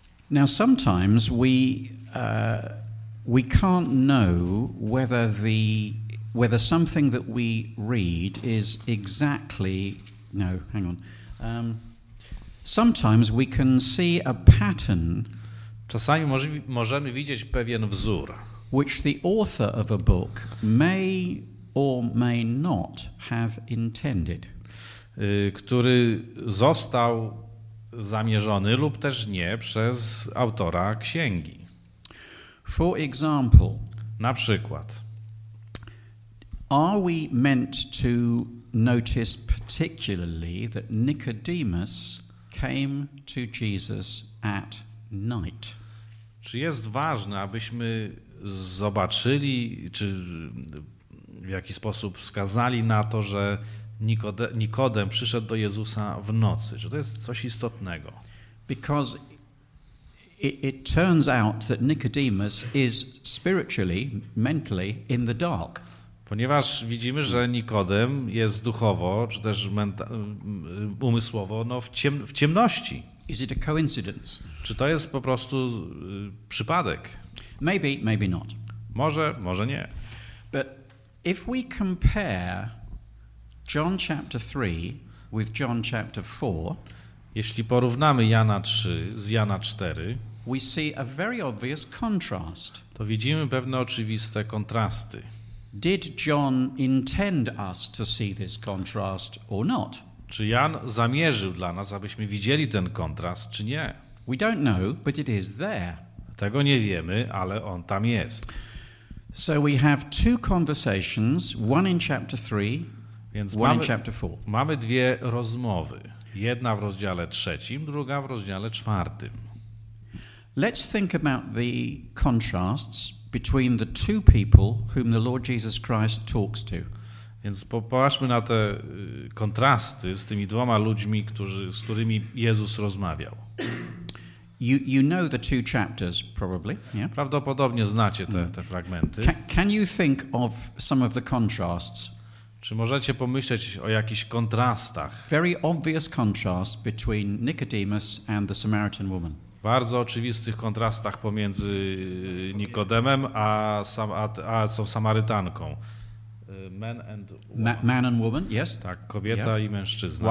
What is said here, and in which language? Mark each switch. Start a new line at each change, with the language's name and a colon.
English: Now sometimes we can't know whether something that we read is exactly, no, hang on. Sometimes we can see a pattern.
Polish: Czasami możemy widzieć pewien wzór,
English: which the author of a book may or may not have intended.
Polish: Który został zamierzony lub też nie przez autora księgi.
English: For example,
Polish: na przykład,
English: are we meant to notice particularly that Nicodemus came to Jesus at night?
Polish: Czy jest ważne, abyśmy zobaczyli, czy w jaki sposób wskazali na to, że Nikodem przyszedł do Jezusa w nocy, że to jest coś istotnego.
English: Because it turns out that Nicodemus is spiritually, mentally in the dark.
Polish: Ponieważ widzimy, że Nikodem jest duchowo, czy też umysłowo, no w ciemności.
English: Is it a coincidence?
Polish: Czy to jest po prostu przypadek?
English: Maybe, maybe not.
Polish: Może, może nie.
English: But if we compare John chapter 3 with John chapter 4,
Polish: jeśli porównamy Jana 3 z Jana 4,
English: we see a very obvious contrast.
Polish: To widzimy pewne oczywiste kontrasty.
English: Did John intend us to see this contrast or not?
Polish: Czy Jan zamierzył dla nas, abyśmy widzieli ten kontrast, czy nie?
English: We don't know, but it is there.
Polish: Tego nie wiemy, ale on tam jest.
English: So we have two conversations, one in chapter 3,
Polish: więc
English: one in chapter 4.
Polish: Mamy dwie rozmowy. Jedna w rozdziale trzecim, druga w rozdziale czwartym.
English: Let's think about the contrasts between the two people whom the Lord Jesus Christ talks to.
Polish: Więc popatrzmy na te kontrasty z tymi dwoma ludźmi, z którymi Jezus rozmawiał.
English: You know the two chapters probably, yeah?
Polish: Prawdopodobnie znacie te fragmenty.
English: Can you think of some of the contrasts?
Polish: Czy możecie pomyśleć o jakichś kontrastach?
English: Very obvious contrast between Nicodemus and the Samaritan woman.
Polish: Bardzo oczywistych kontrastach pomiędzy Nikodemem a Samarytanką.
English: Man and woman. Man and woman, yes.
Polish: Tak, kobieta i mężczyzna.